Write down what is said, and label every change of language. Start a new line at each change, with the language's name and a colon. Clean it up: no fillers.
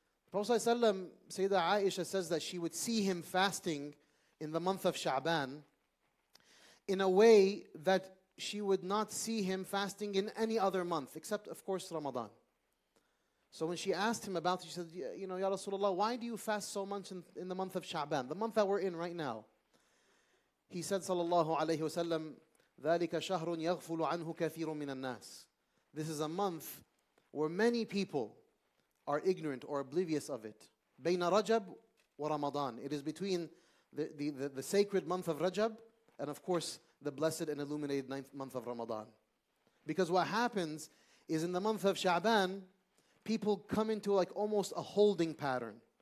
English: Prophet ﷺ, Sayyidah Aisha says that she would see him fasting in the month of Sha'ban in a way that she would not see him fasting in any other month, except, of course, Ramadan. So when she asked him about it, she said, you know, Ya Rasulullah, why do you fast so much in the month of Sha'ban, the month that we're in right now? He said,
Arabic: Sallallahu Alaihi Wasallam, ذَلِكَ شَهْرٌ يَغْفُلُ عَنْهُ كَثِيرٌ مِنَ النَّاسِ.
English: This is a month where many people are ignorant or oblivious of it.
Arabic: بَيْنَ رَجَبْ وَرَمَضَانِ.
English: It is between the sacred month of Rajab and of course the blessed and illuminated ninth month of Ramadan. Because what happens is in the month of Sha'ban, people come into like almost a holding pattern.